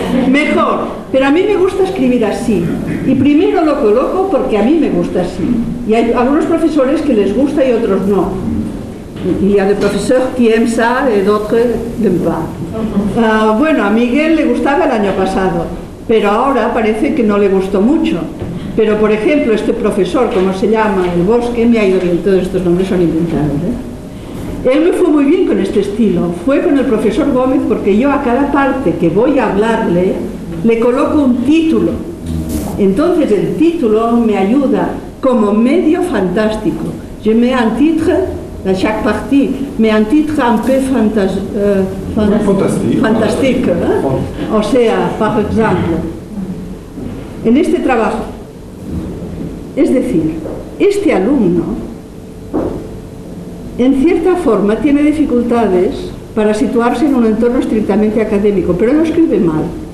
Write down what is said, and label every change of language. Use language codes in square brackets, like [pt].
[es] Mejor, pero a mí me gusta escribir así. Y primero lo coloco porque a mí me gusta así. Y hay algunos profesores que les gusta y otros no. [fr] Y a de profesor qui aime ça et d'autres n'aime pas. [es] Bueno, a Miguel le gustaba el año pasado, pero ahora parece que no le gustó mucho. Pero, por ejemplo, este profesor, ¿cómo se llama? El Bosque, me ha ido bien, todos estos nombres son inventados, ¿eh? Él me fue muy bien con este estilo. Fue con el profesor Gómez porque yo a cada parte que voy a hablarle le coloco un título. Entonces el título me ayuda como medio fantástico. [fr] Je mets un titre à chaque partie, mais un titre un peu fantastique. [es] ¿Eh? O sea, por ejemplo, en este trabajo. Es decir, este alumno, en cierta forma, tiene dificultades para situarse en un entorno estrictamente académico, pero no escribe mal.